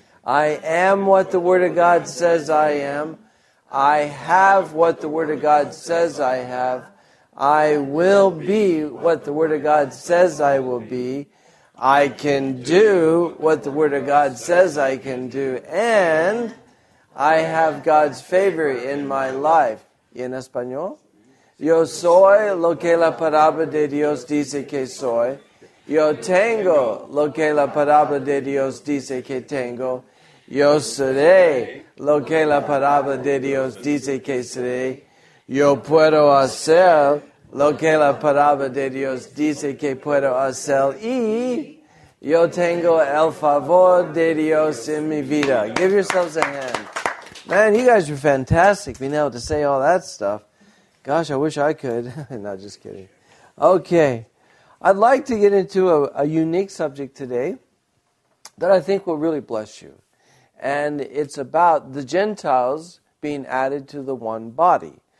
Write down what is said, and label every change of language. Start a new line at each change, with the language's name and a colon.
English: I am what the Word of God says I am. I have what the Word of God says I have. I will be what the Word of God says I will be. I can do what the Word of God says I can do. And I have God's favor in my life.
Spanish: ¿Y en español? Yo soy lo que la palabra de Dios dice que soy. Yo tengo lo que la palabra de Dios dice que tengo. Yo seré lo que la palabra de Dios dice que seré. Yo puedo hacer lo que la palabra de Dios dice que puedo hacer. Y yo tengo el favor de Dios en mi vida.
English: Give yourselves a hand. Man, you guys are fantastic being able to say all that stuff. Gosh, I wish I could. No, just kidding. Okay. I'd like to get into a unique subject today that I think will really bless you. And it's about the Gentiles being added to the one body.